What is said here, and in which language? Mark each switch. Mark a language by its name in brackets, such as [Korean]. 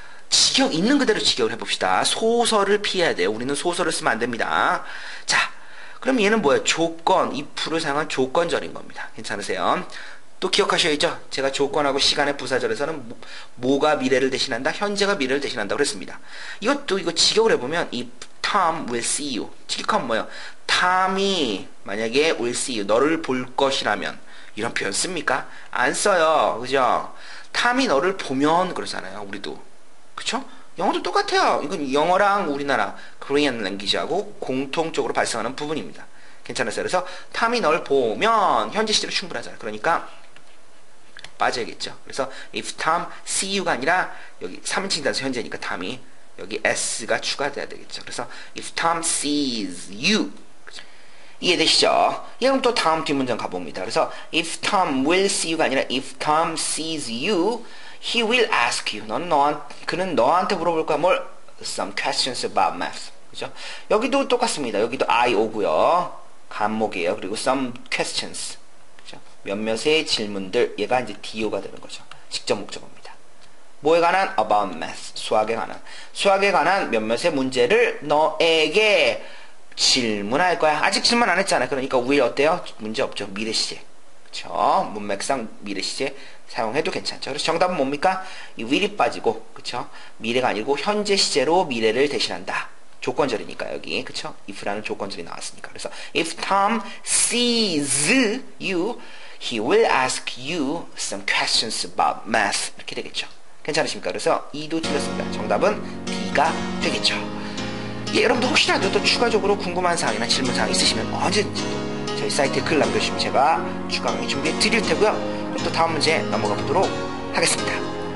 [Korean] 직역, 있는 그대로 직역을 해봅시다. 소설을 피해야 돼요. 우리는 소설을 쓰면 안 됩니다. 자, 그럼 얘는 뭐예요? 조건, if를 사용한 조건절인 겁니다. 괜찮으세요? 또 기억하셔야죠? 제가 조건하고 시간의 부사절에서는 뭐가 미래를 대신한다? 현재가 미래를 대신한다고 그랬습니다. 이것도 이거 직역을 해보면 [English] if Tom will see you. [Korean] 직역하면 뭐예요? [English] Tom이 [Korean] 만약에 [English] will see you. [Korean] 너를 볼 것이라면 이런 표현 씁니까? 안 써요. 그죠? Tom이 너를 보면 그러잖아요. 우리도. 그쵸? 영어도 똑같아요. 이건 영어랑 우리나라 Korean language하고 공통적으로 발생하는 부분입니다. 괜찮았어요. 그래서 Tom이 널 보면 현재 시제로 충분하잖아요. 그러니까 빠져야겠죠. 그래서 [English] if Tom see you [Korean] 가 아니라 여기 3인칭 단수 현재니까 Tom이 여기 S가 추가돼야 되겠죠. 그래서 [English] if Tom sees you. [Korean] 이해되시죠? 그럼 또 다음 뒷문장 가봅니다. 그래서 [English] if Tom will see you가 [Korean] 아니라 [English] if Tom sees you he will ask you. [Korean] 너는 그는 너한테 물어볼 거야. 뭘? [English] Some questions about math. [Korean] 그렇죠? 여기도 똑같습니다. 여기도 I O고요. 감목이에요. 그리고 [English] some questions. [Korean] 그렇죠? 몇몇의 질문들. 얘가 이제 DO가 되는 거죠. 직접 목적어입니다. 뭐에 관한? [English] About math. [Korean] 수학에 관한. 수학에 관한 몇몇의 문제를 너에게 질문할 거야. 아직 질문 안 했잖아. 그러니까 will 어때요? 문제 없죠. 미래 시제. 그렇죠? 문맥상 미래 시제 사용해도 괜찮죠. 그래서 정답은 뭡니까? 이 will이 빠지고, 그렇죠? 미래가 아니고 현재 시제로 미래를 대신한다. 조건절이니까 여기 그쵸? [English] if라는 조건절이 나왔으니까 [Korean] 그래서 [English] if Tom sees you he will ask you some questions about math [Korean] 이렇게 되겠죠. 괜찮으십니까? 그래서 E도 틀렸습니다. 정답은 D가 되겠죠. 예, 여러분도 혹시라도 또 추가적으로 궁금한 사항이나 질문사항 있으시면 언제든지 저희 사이트에 글 남겨주시면 제가 추가 강의 준비해 드릴 테고요. 그럼 또 다음 문제 넘어가 보도록 하겠습니다.